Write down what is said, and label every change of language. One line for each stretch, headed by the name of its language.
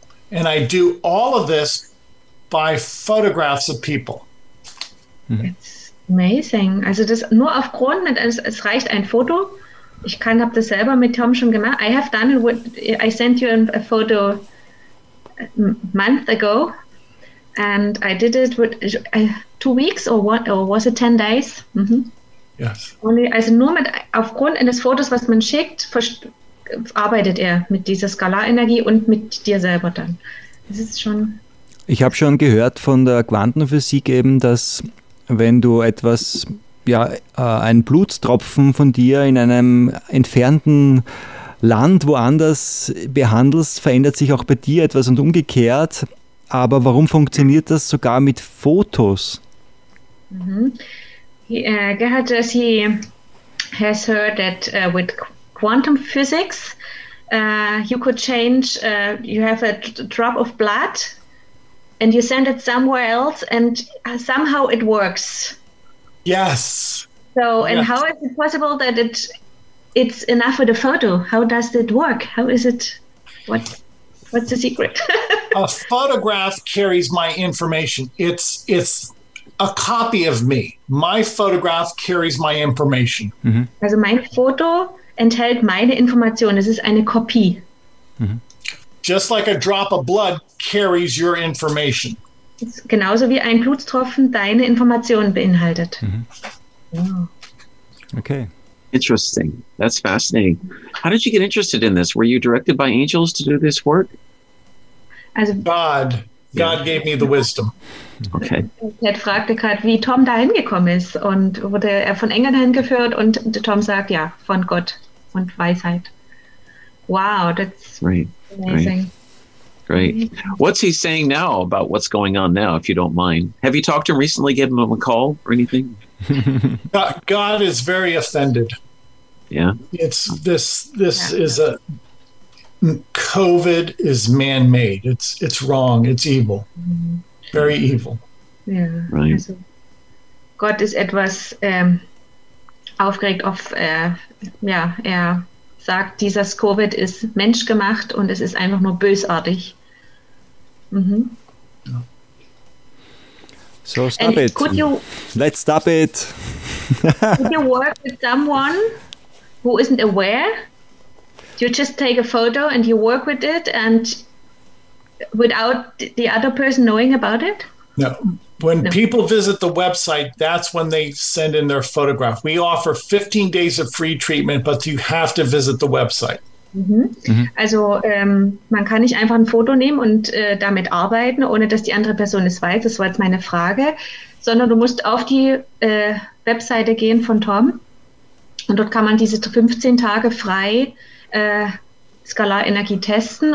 English: And I do all of this by photographs of people. It's amazing.
German: Also das nur aufgrund, es reicht ein Foto. Ich kann habe das selber mit Tom schon gemacht.
English: I have done it. I sent you a photo a month ago, and I did it with 2 weeks or what? Or was it 10 days? Yes. Only
German: also nur mit aufgrund eines Fotos, was man schickt, arbeitet er mit dieser Skalarenergie und mit dir selber dann. Das ist schon. Ich habe schon gehört von der Quantenphysik eben, dass wenn du etwas, ja, einen Blutstropfen von dir in einem entfernten Land woanders behandelst, verändert sich auch bei dir etwas und umgekehrt. Aber warum funktioniert das sogar mit Fotos?
English: Gerhard, as he has heard that with quantum physics, you could change, you have a drop of blood and you send it somewhere else and somehow it works. Yes. So, and yes. How is it possible that it's enough for the photo? How does it work? How is it? What's the secret? A photograph carries my information. It's a copy of me. My photograph carries my information.
German: Mm-hmm. Also mein Foto enthält meine Information. Es ist eine Kopie. Mm-hmm.
English: Just like a drop of blood carries your information.
German: Es ist genauso wie ein Blutstropfen deine Information beinhaltet.
English: Mm-hmm. Wow. Okay. Interesting. That's fascinating. How did you get interested in this? Were you directed by angels to do this work? God gave me the wisdom. Okay.
German: Ted fragte gerade, wie Tom da hingekommen ist. Und wurde er von Engeln hingeführt? Und Tom sagt, ja, von Gott und Weisheit.
English: Wow, that's right. Amazing. Great. What's he saying now about what's going on now, if you don't mind? Have you talked to him recently, given him a call or anything? God is very offended. Yeah. This is COVID is man-made. It's wrong. It's evil. Mm-hmm. Very evil. Yeah. Right.
German: Also, Gott ist etwas aufgeregt auf, ja, er sagt, dieses COVID ist menschgemacht und es ist einfach nur bösartig.
English: Mm-hmm. So stop it. Let's stop it. Could you work with someone who isn't aware? You just take a photo and you work with it and without the other person knowing about it? No. When people visit the website, that's when they send in their photograph. We offer 15 days of free treatment, but you have to visit the website. Mm-hmm.
German: Also man kann nicht einfach ein Foto nehmen und damit arbeiten, ohne dass die andere Person es weiß. Das war jetzt meine Frage. Sondern du musst auf die Webseite gehen von Tom. Und dort kann man diese 15 Tage frei Skalarenergie testen.